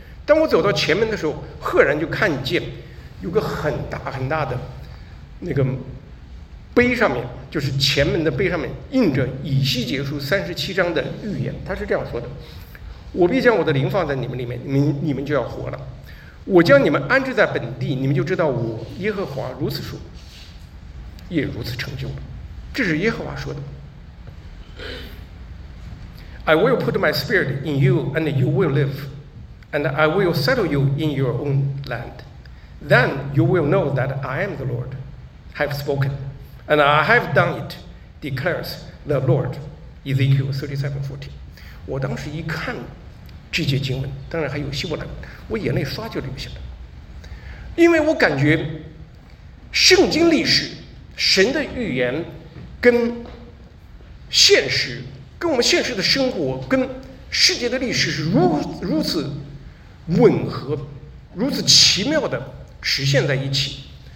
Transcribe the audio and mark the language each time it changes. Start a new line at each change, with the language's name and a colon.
Chinese: 当我走到前门的时候，赫然就看见有个很大很大的那个碑，上面就是前门的碑上面印着以西结书37章的预言。他是这样说的：我必将我的灵放在你们里面，你们就要活了。我将你们安置在本地，你们就知道我耶和华如此说，也如此成就了。这是耶和华说的。
English: I will put my spirit in you and you will live, and I will settle you in your own land. Then you will know that I am the Lord, have spoken, and I have done it, declares the Lord. Ezekiel 37:14.
Chinese: 我当时一看这节经文，当然还有希伯来文，我眼泪刷就流下来。因为我感觉圣经历史、神的预言跟现实、跟我们现实的生活、跟世界的历史是 如此吻合、如此奇妙的实现在一起。